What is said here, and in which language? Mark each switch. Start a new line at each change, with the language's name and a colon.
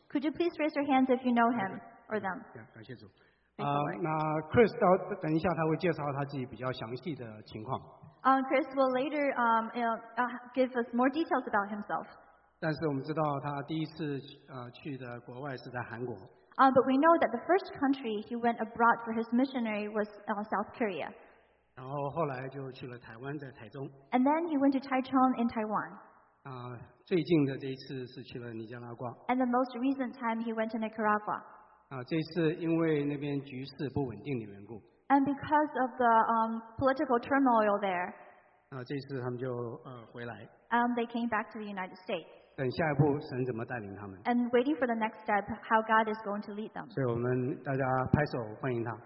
English: Could you please raise your hands if you know him or them?
Chinese: Yeah, 感谢主。那 Chris 到等一下他会介绍他自己比较详细的情况。
English: Chris will later give us more details about himself.
Chinese: 但是我们知道他第一次去的国外是在韩国。
English: But we know that the first country he went abroad for his missionary was South Korea.
Chinese: 然后后来就去了台湾，在台中。
English: And then he went to Taichung in Taiwan.
Chinese: 最近的这一次是去了尼加拉瓜。
English: And the most recent time he went to Nicaragua.
Chinese: 这次因为那边局势不稳定的缘故。
English: And because of the political turmoil there.
Chinese: 这次他们就回来。
English: And they came back to the United States.
Chinese: 等下一步神怎么带领他们。
English: And waiting for the next step, how God is going to lead them.
Chinese: 所以我们大家拍手欢迎他。